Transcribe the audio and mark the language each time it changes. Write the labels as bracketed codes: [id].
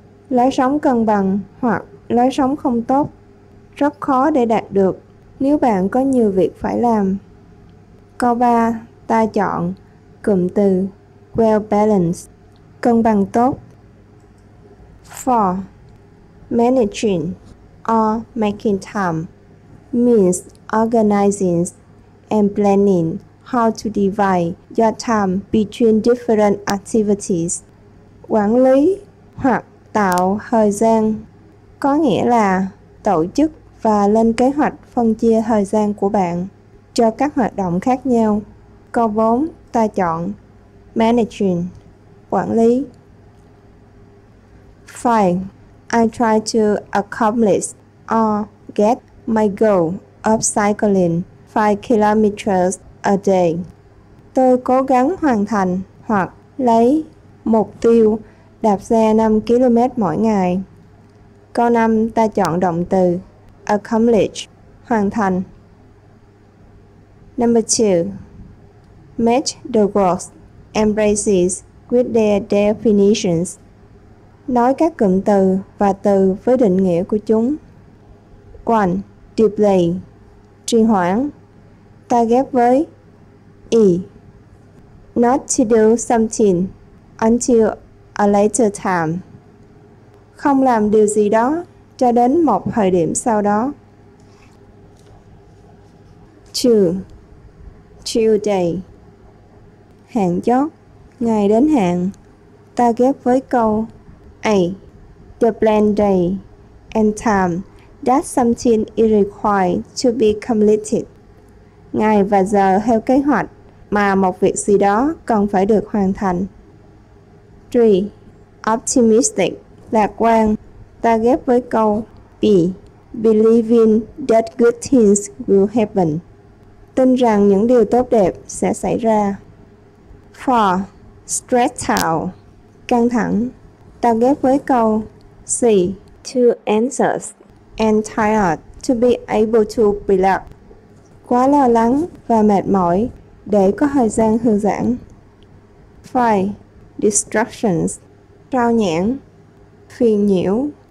[vi] Lối sống cân bằng hoặc lối sống không tốt rất khó để đạt được nếu bạn có nhiều việc phải làm. Câu 3 ta chọn cụm từ well balanced, cân bằng tốt. 4. [en] Managing or making time means organizing and planning how to divide your time between different activities. [vi] Quản lý hoặc tạo thời gian có nghĩa là tổ chức và lên kế hoạch phân chia thời gian của bạn cho các hoạt động khác nhau. Câu 4 ta chọn managing, quản lý. [en] 5. I try to accomplish or get my goal of cycling 5 kilometers a day. [vi] Tôi cố gắng hoàn thành hoặc lấy mục tiêu đạp xe 5 km mỗi ngày. Câu 5 ta chọn động từ accomplish, hoàn thành. [en] Number 2. Match the words and phrases with their definitions. [vi] Nói các cụm từ và từ với định nghĩa của chúng. 1. Delay, trì hoãn. Ta ghép với E. [en] Not to do something until a later time. [vi] Không làm điều gì đó cho đến một thời điểm sau đó. 2. Tuesday, hạn chót, ngày đến hạn. Ta ghép với câu A. [en] The planned day and time that something is required to be completed. [vi] Ngày và giờ theo kế hoạch mà một việc gì đó cần phải được hoàn thành. 3. Optimistic, lạc quan. Ta ghép với câu B. [en] Believing that good things will happen. [vi] Tin rằng những điều tốt đẹp sẽ xảy ra. 4. Stressed out, căng thẳng. Ta ghép với câu C. [en] Too anxious and tired to be able to relax. [vi] Quá lo lắng và mệt mỏi để có thời gian thư giãn. 5. Distractions, rao nhãn, phiền nhiễu.